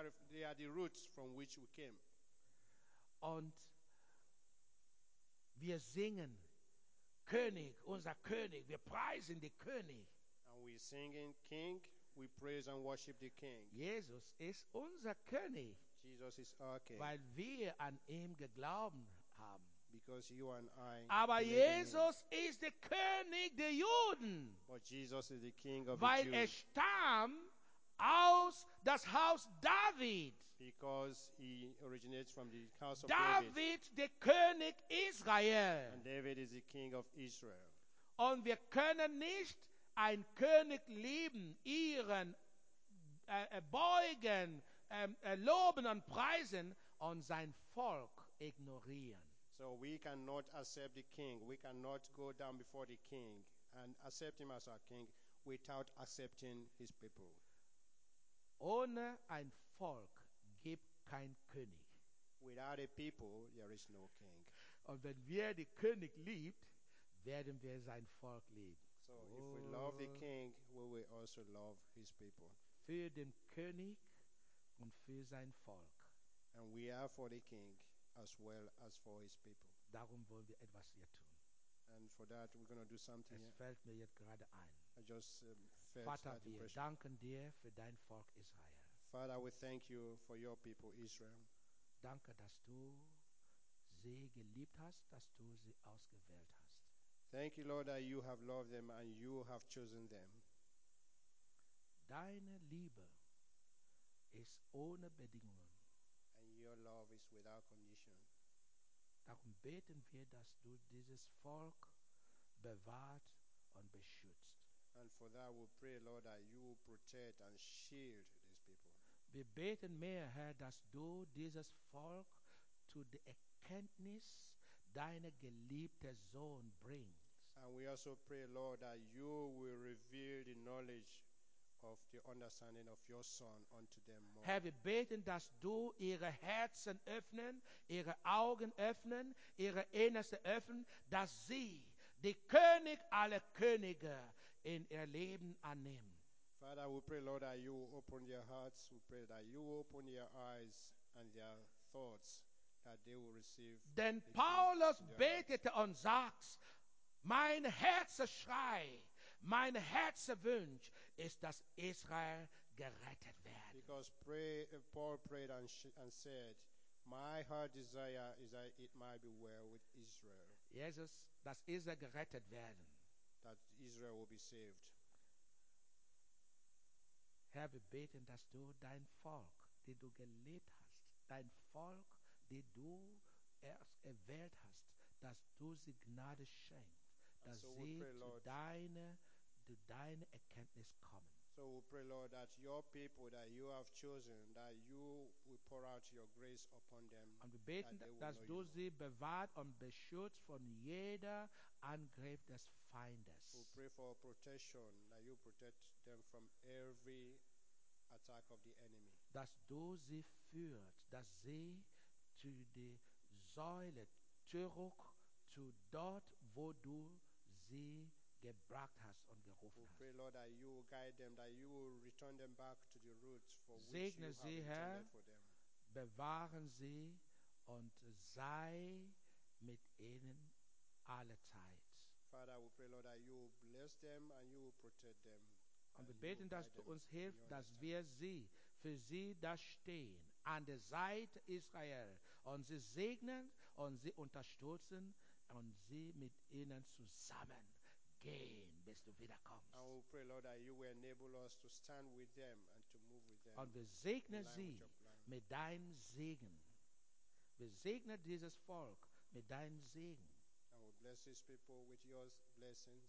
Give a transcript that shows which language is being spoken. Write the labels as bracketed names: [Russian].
[English] they are the roots from which we came. [German] Und wir singen, König, unser König, wir preisen den König. [English] And we singing King, we praise and worship the King. [German] Jesus ist unser König. [English] Jesus is our King. [German] Weil wir an ihm geglauben haben. [English] Because you and I. [German] Aber Jesus ist der König der Juden. [English] But Jesus is the King of [German] weil [English] the Jews. [German] Weil er stammt aus das Haus David. [English] Because he originates from the house of [German] David. David, der König Israel. [English] And David is the King of Israel. [German] Und wir können nicht ein König lieben, ihren, beugen, loben und preisen und sein Volk ignorieren. [English] So we cannot accept the king. We cannot go down before the king and accept him as our king without accepting his people. [German] Ohne ein Volk gibt kein König. [English] Without a people, there is no king. [German] Und wenn wir den König lieben, werden wir sein Volk lieben. [English] So if we love the king, we will also love his people. [German] Für den König und für sein Volk. [English] And we are for the king as well as for his people. [German] Darum wollen wir etwas hier tun. [English] And for that we're going to do something here. [German] Es fällt mir jetzt gerade ein. [English] I just felt [German] Vater, [English] that [German] wir [English] impression. [German] Danken dir für dein Volk Israel. [English] Father, we thank you for your people Israel. [German] Danke, dass du sie geliebt hast, dass du sie ausgewählt hast. [English] Thank you, Lord, that you have loved them and you have chosen them. [German] Deine Liebe ist ohne Bedingungen. [English] And your love is without condition. [German] Darum beten wir, dass du dieses Volk bewahrt und beschützt. [English] And for that we pray, Lord, that you will protect and shield these people. [German] Wir beten mehr, Herr, dass du dieses Volk zu der Erkenntnis deiner geliebten Sohn bringst. [English] And we also pray, Lord, that you will reveal the knowledge of the understanding of your Son unto them more. [German] Herr, wir beten, dass du ihre Herzen öffnen, ihre Augen öffnen, ihre Innerste öffnen, dass sie die König aller Könige in ihr Leben annehmen. [English] Father, we pray, Lord, that you will open their hearts. We pray that you will open their eyes and their thoughts, that they will receive. [German] Denn Paulus betete und sagt, mein Herzensschrei, mein Herzenswunsch ist, dass Israel gerettet wird. [English] Because Paul prayed and said, my heart desire is that it might be well with Israel. [German] Jesus, dass Israel gerettet werden. [English] That Israel will be saved. [German] Herr, wir beten, dass du dein Volk, die du geliebt hast, dein Volk, die du erst erwählt hast, dass du sie Gnade schenkst. Dass [English] so [German] sie [English] we pray, Lord, [German] zu deine Erkenntnis kommen. [English] So we pray, Lord, that your people that you have chosen, that you will pour out your grace upon them. [German] Und wir beten, dass du sie bewahrt und beschützt von jeder Angriff des Feindes. [English] We pray for protection, that you protect them from every attack of the enemy. [German] Dass du sie führst, dass sie zu der Säule zurück, zu dort, wo du sie gebracht hast und gerufen hast. [English] We pray, Lord, that you will guide them, that you will return them back to the roots for [German] segne [English] intended for them. [German] Bewahren sie und sei mit ihnen alle Zeit. [English] Father, we pray, Lord, that you will bless them and you will protect them. [German] Und wir beten, dass du uns hilfst, dass wir sie, für sie da stehen, an der Seite Israel und sie segnen und sie unterstützen und sie mit ihnen zusammen gehen, bis du wiederkommst. [English] And we pray, Lord, that you will enable us to stand with them and to move with them. [German] Und wir segnen sie mit deinem Segen. Wir segnen dieses Volk mit deinem Segen. [English] And we bless these people with your blessings.